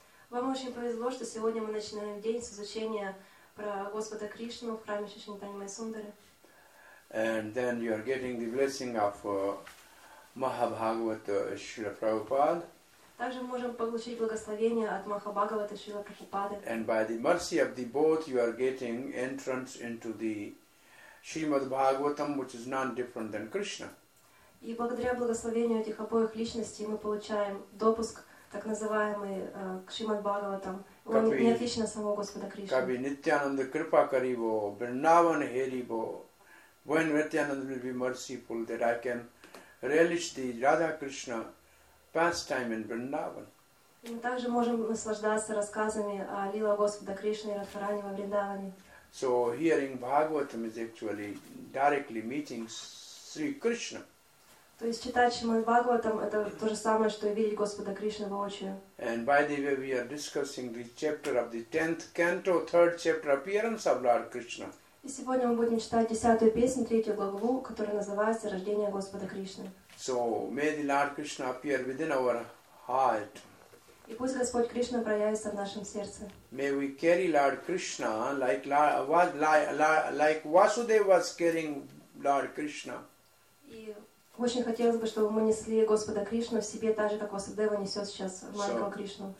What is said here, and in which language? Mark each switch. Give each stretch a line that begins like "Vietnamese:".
Russian: Вам очень повезло, что сегодня мы начинаем день с изучения про Господа Кришну в храме Шри Нитха Анима Сундары.
English: And then you are getting the blessing of Mahabhagavata Srila Prabhupada.
Russian: Также можем получить благословение от Махабхагавата Шрила Прабхупады.
English: And by the mercy of the both, you are getting entrance into the Srimad Bhagavatam, which is none different than Krishna.
Russian: И благодаря благословению этих обоих личностей мы получаем допуск, так называемый, к Шримад Бхагаватам. Он не отличен от самого Господа Кришны.
Bangla: Каби Нитьянанда Крипа Карибо, Бриндаван Херибо.
English: When Nityananda will be merciful that I can relish the Radha Krishna pastime in Vrindavan.
Russian: Мы также можем наслаждаться рассказами о лилах Господа Кришны и Радхарани во Вриндаване.
English: So hearing Bhagavatam is actually directly meeting Sri Krishna.
Russian: То есть читать Шримад Бхагаватам это то же самое, что и видеть Господа Кришну воочию.
English: And by the way, we are discussing the chapter of the 10th canto, 3rd chapter, appearance of Lord Krishna.
Russian: И сегодня мы будем читать 10-ю песню, 3-ю главу, которая называется «Рождение Господа Кришны».
English: So, may the Lord Krishna appear within our heart.
Russian: И пусть Господь Кришна проявится в нашем сердце.
English: May we carry Lord Krishna like Vasudeva was carrying Lord Krishna.
Russian: И очень хотелось бы, чтобы мы несли Господа Кришну в себе так же, как Васудева несет сейчас маленького Кришну.